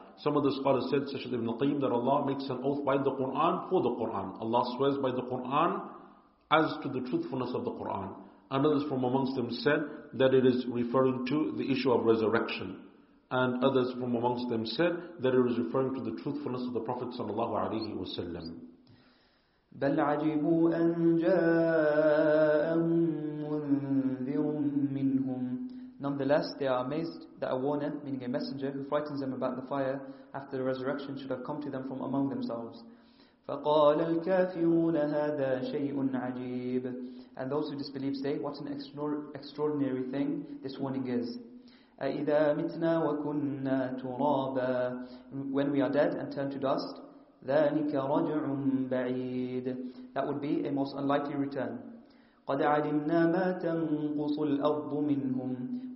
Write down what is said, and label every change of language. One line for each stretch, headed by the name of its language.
English: Some of the scholars said, such as Ibn Qayyim, that Allah makes an oath by the Qur'an for the Qur'an. Allah swears by the Qur'an as to the truthfulness of the Qur'an. And others from amongst them said that it is referring to the issue of resurrection. And others from amongst them said that it was referring to the truthfulness of the Prophet sallallahu alaihi wasallam.
Arabic: بل عجبوا أن جاءهم منذر منهم.
English: Nonetheless, they are amazed that a warner, meaning a messenger who frightens them about the fire after the resurrection, should have come to them from among themselves.
Arabic: فقال الكافرون هذا شيء عجيب.
English: And those who disbelieve say, what an extraordinary thing this warning is.
Arabic: أَإِذَا مِتْنَا وَكُنَّا تُرَابًا.
English: When we are dead and turn to dust,
Arabic: ذَلِكَ رَجْعٌ بَعِيدٌ.
English: That would be a most unlikely return.
Arabic: قَدْ عَلِمْنَا مَا تَنْقُصُ الْأَرْضُ مِنْهُمْ.